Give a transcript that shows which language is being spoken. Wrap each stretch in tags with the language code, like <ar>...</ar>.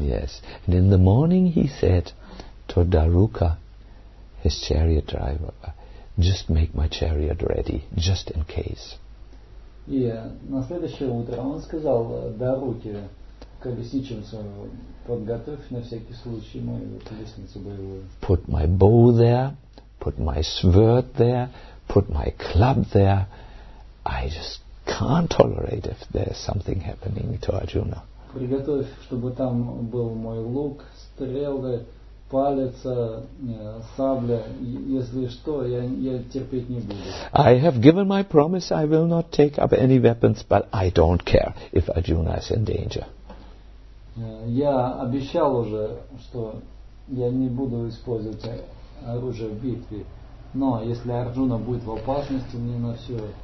<en>Yes. And in the morning he said to Daruka, his chariot driver, just make my chariot ready, just in case.</en> <ru>И на следующее утро он сказал Даруке, колесничницу, подготовь на всякий случай мою колесницу боевую.</ru> <en>Put my bow there, put my sword there, put my club there. I just can't tolerate if there's something happening to Arjuna.</en> <ru>Приготовь, чтобы там был мой лук, стрелы, палец, сабля. Если что, я терпеть не буду.</ru> <en>I have given my promise. I will not take up any weapons, but I don't care if Arjuna is in danger.</en> <ru>Я обещал уже, что я не буду использовать оружие в битве. Но если Арджуна будет в опасности, мне на все.</ru>